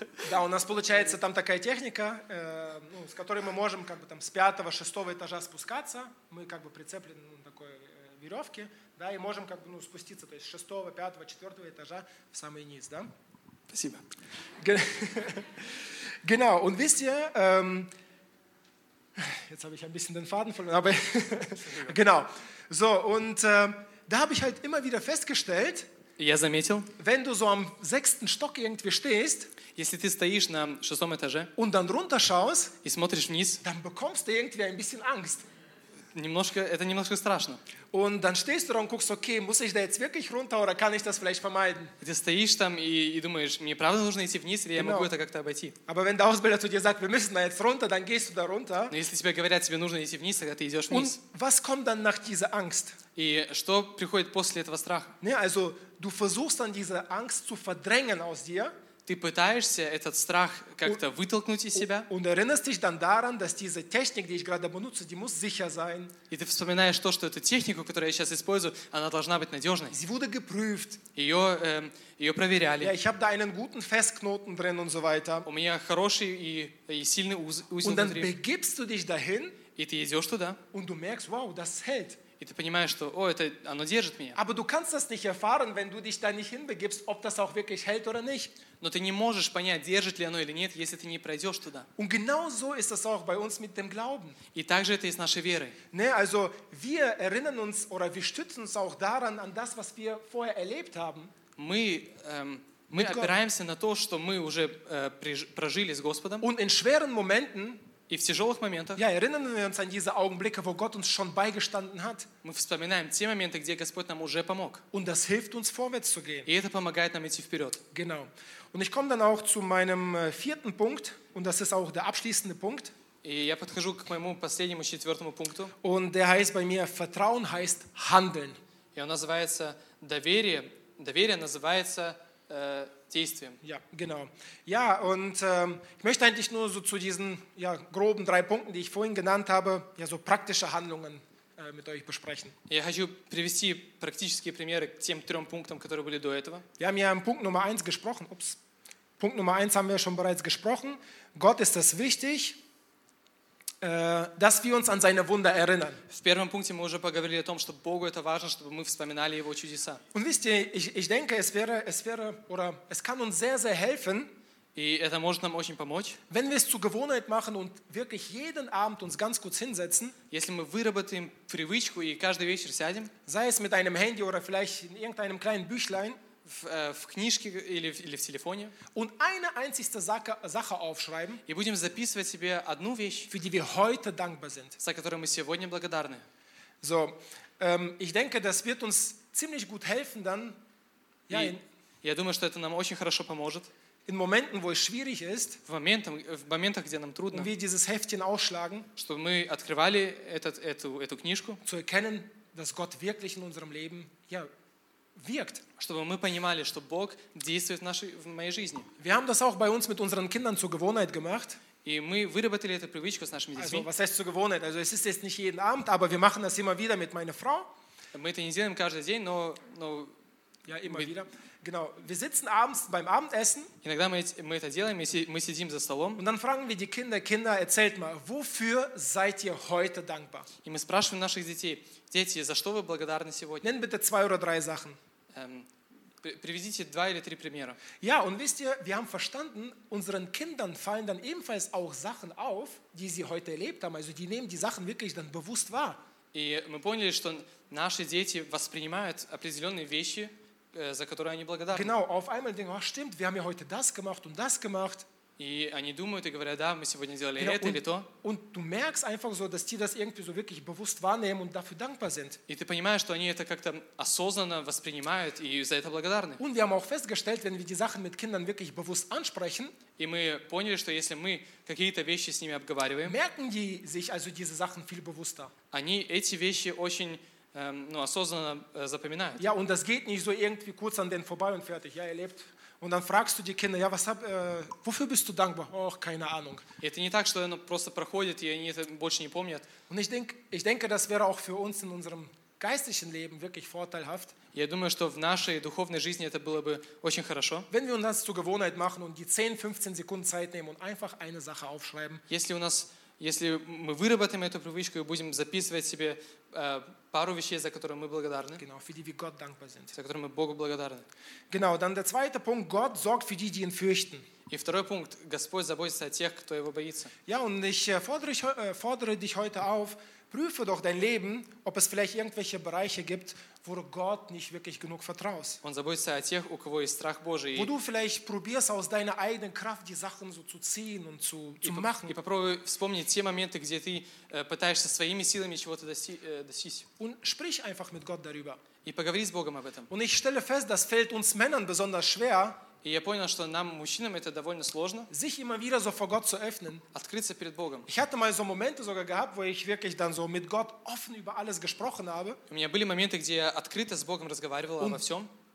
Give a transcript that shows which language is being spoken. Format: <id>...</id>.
<ru>Да, у нас получается там такая техника, с которой мы можем как бы там с 5-6 этажа спускаться. Мы как бы прицеплены на такой веревке, да, и можем как бы спуститься, то есть с 6-4 этажа в самый низ, да? Спасибо.</ru> <de>Genau, und wisst ihr, jetzt habe ich ein bisschen den Faden verloren, aber genau. So, und da habe ich halt immer wieder festgestellt,</de> <ru>я заметил,</ru> <de>wenn du so am 6. Stock irgendwie stehst,</de> <ru>если ты стоишь на 6 этаже,</ru> <de>und dann runterschaust,</de> <ru>и смотришь вниз,</ru> <de>dann bekommst du irgendwie ein bisschen Angst.</de> <ru>Немножко, это немножко страшно.</ru> <de>Und dann stehst du da und guckst, okay, muss ich da jetzt wirklich runter oder kann ich das vielleicht vermeiden?</de> <ru>Ты стоишь там и думаешь, мне правда нужно идти вниз, или я могу это как-то обойти?</ru> <de>Aber wenn der Ausbilder zu dir sagt, wir müssen da jetzt runter, dann gehst du da runter.</de> <ru>Но если тебе говорят, тебе нужно идти вниз, тогда ты идешь вниз.</ru> <de>Und was kommt dann nach dieser Angst?</de> <ru>И что приходит после этого страха?</ru> <de>Ne, also du versuchst dann diese Angst zu verdrängen aus dir.</de> <ru>Ты пытаешься этот страх как-то вытолкнуть из себя.</ru> <de>Und erinnerst dich dann daran, dass diese Technik, die ich gerade benutze, die muss sicher sein.</de> <ru>И ты вспоминаешь то, что эта техника, которую я сейчас использую, она должна быть надежной.</ru> <de>Sie wurde geprüft.</de> <ru>Ее проверяли.</ru> <de>Ja, ich habe da einen guten Festknoten drin und so weiter.</de> <ru>У меня хороший и сильный узел внутри.</ru> <de>Und dann begibst du dich dahin.</de> <ru>И ты идешь туда.</ru> <de>Und du merkst, wow, das hält.</de> <ru>И ты понимаешь, что, о, это, оно держит меня.</ru> <de>Aber du kannst das nicht erfahren, wenn du dich da nicht hinbegibst, ob das auch wirklich hält oder nicht.</de> <ru>Но ты не можешь понять, держит ли оно или нет, если ты не пройдешь туда.</ru> <de>Und genau so ist das auch bei uns mit dem Glauben.</de> <ru>И также это и с нашей верой.</ru> <de>Ne, also wir erinnern uns oder wir stützen uns auch daran an das, was wir vorher erlebt haben.</de> <ru>Мы опираемся на то, что мы уже прожили с Господом.</ru> <de>Und in schweren Momenten.</de> <ru>И в тяжелых моментах.</ru> <de>Ja, erinnern wir uns an diese Augenblicke, wo Gott uns schon beigestanden hat.</de> <ru>Мы вспоминаем те моменты, где Господь нам уже помог.</ru> <de>Und das hilft uns vorwärts zu gehen.</de> <ru>И это помогает нам идти вперед.</ru> <de>Genau. Und ich komme dann auch zu meinem vierten Punkt, und das ist auch der abschließende Punkt.</de> <ru>И я подхожу к моему последнему четвертому пункту.</ru> <de>Und der heißt bei mir Vertrauen heißt Handeln.</de> <ru>И он называется доверие. Доверие называется действием.</ru> <de>Ja, genau. Ja, und ich möchte eigentlich nur so zu diesen ja, groben drei Punkten, die ich vorhin genannt habe, ja so praktische Handlungen mit euch besprechen.</de> <ru>Я хочу привести практические примеры к тем трём пунктам, которые были до этого.</ru> <de>Wir haben ja im Punkt Nummer 1 gesprochen. Ups. Punkt Nummer 1 haben wir schon bereits gesprochen. Gott ist das wichtig, dass wir uns an seine Wunder erinnern.</de> <ru>В первом пункте мы уже поговорили о том, что Богу это важно, чтобы мы вспоминали его чудеса.</ru> <de>Und wisst ihr, ich denke, es wäre oder es kann uns sehr sehr helfen.</de> <ru>И это может нам очень помочь.</ru> <de>Wenn wir es zur Gewohnheit machen und wirklich jeden Abend uns ganz kurz hinsetzen.</de> <ru>Если мы выработаем привычку и каждый вечер сядем.</ru> <de>Sei es mit einem Handy oder vielleicht in irgendeinem kleinen Büchlein.</de> <ru>В книжке или в телефоне.</ru> <de>Und eine einzigste Sache aufschreiben.</de> <ru>И будем записывать себе одну вещь.</ru> <de>Für die wir heute dankbar sind.</de> <ru>За которую мы сегодня благодарны.</ru> <de>So, ich denke, das wird uns ziemlich gut helfen dann.</de> <ru>Ja, я думаю, что это нам очень хорошо поможет.</ru> <de>In Momenten, wo es schwierig ist.</de> <ru>В моментах, где нам трудно.</ru> <de>Wir dieses Heftchen ausschlagen.</de> <ru>Чтобы мы открывали эту книжку.</ru> <de>Zu erkennen, dass Gott wirklich in unserem Leben, ja. Wirkt.</de> <ru>Чтобы мы понимали, что Бог действует в моей жизни.</ru> <de>Wir haben das auch bei uns mit unseren Kindern zur Gewohnheit gemacht.</de> <ru>И мы выработали эту привычку с нашими детьми.</ru> <de>Also, was heißt zur Gewohnheit? Also, es ist jetzt nicht jeden Abend, aber wir machen das immer wieder mit meiner Frau.</de> <ru>Мы это не делаем каждый день, но</ru> <de>ja, immer wieder. Genau. Wir sitzen abends beim Abendessen.</de> <ru>Иногда мы это делаем, мы сидим за столом.</ru> <de>Und dann fragen wir die Kinder, erzählt mal, wofür seid ihr heute dankbar?</de> <ru>И мы спрашиваем наших детей, дети, за что вы благодарны сегодня?</ru> <de>Nenn bitte zwei oder drei Sachen.</de> <ru>Приведите два или три примера.</ru> <de>Ja, und wisst ihr, wir haben verstanden, unseren Kindern fallen dann ebenfalls auch Sachen auf, die sie heute erlebt haben. Also die nehmen die Sachen wirklich dann bewusst wahr.</de> <ru>И мы поняли, что наши дети воспринимают определенные вещи, за которые они благодарны.</ru> <de>Genau, auf einmal denken, ach stimmt, wir haben ja heute das gemacht und das gemacht.</de> <ru>И они думают и говорят, да, мы сегодня сделали genau, это</ru> <de>und,</de> <ru>или то.</ru> <de>Und du merkst einfach so, dass die das irgendwie so wirklich bewusst wahrnehmen und dafür dankbar sind.</de> <ru>И ты понимаешь, что они это как-то осознанно воспринимают и за это благодарны.</ru> <de>Und wir haben auch festgestellt, wenn wir die Sachen mit Kindern wirklich bewusst ansprechen.</de> <ru>И мы поняли, что если мы какие-то вещи с ними обговариваем.</ru> <de>Merken die sich also diese Sachen viel bewusster.</de> <ru>Они эти вещи очень осознанно запоминают.</ru> <de>Ja, und das geht nicht so irgendwie kurz an den vorbei und fertig. Ja, erlebt. Und dann fragst du die Kinder, ja, wofür bist du dankbar? Oh, keine Ahnung.</de> <ru>Это не так, что оно просто проходит, и они это больше не помнят.</ru> <de>Und ich denke, das wäre auch für uns in unserem geistlichen Leben wirklich vorteilhaft.</de> <ru>Я думаю, что в нашей духовной жизни это было бы очень хорошо.</ru> <de>Wenn wir uns das zur Gewohnheit machen und die 10-15 Sekunden Zeit nehmen und einfach eine Sache aufschreiben.</de> <ru>Если мы выработаем эту привычку и будем записывать себе пару вещей, за которые мы благодарны.</ru> <de>Genau, für die wir Gott dankbar sind.</de> <ru>За которые мы Богу благодарны.</ru> <de>Genau, dann der zweite Punkt, Gott sorgt für die, die ihn fürchten.</de> <ru>И второй пункт, Господь заботится о тех, кто его боится.</ru> <de>Ja, und ich fordere dich heute auf, prüfe doch dein Leben, ob es vielleicht irgendwelche Bereiche gibt, wo du Gott nicht wirklich genug vertraust.</de> <ru>Он заботится о тех, у кого есть страх Божий.</ru> <de>Wo du vielleicht probierst, aus deiner eigenen Kraft die Sachen so zu ziehen und zu machen.</de> <ru>И попробуй вспомнить те моменты, где ты пытаешься своими силами чего-то достичь.</ru> <de>Und sprich einfach mit Gott darüber.</de> <ru>И поговори с Богом об этом.</ru> <de>Und ich stelle fest, das fällt uns Männern besonders schwer.</de> <ru>И я понял, что нам, мужчинам, это довольно сложно.</ru> <de>Sich immer wieder so vor Gott zu öffnen.</de> <ru>Открыться перед Богом.</ru> <de>Ich hatte mal so Momente sogar gehabt, wo ich wirklich dann so mit Gott offen über alles gesprochen habe.</de> <ru>У меня были моменты, где я открыто с Богом разговаривал обо всем.</ru>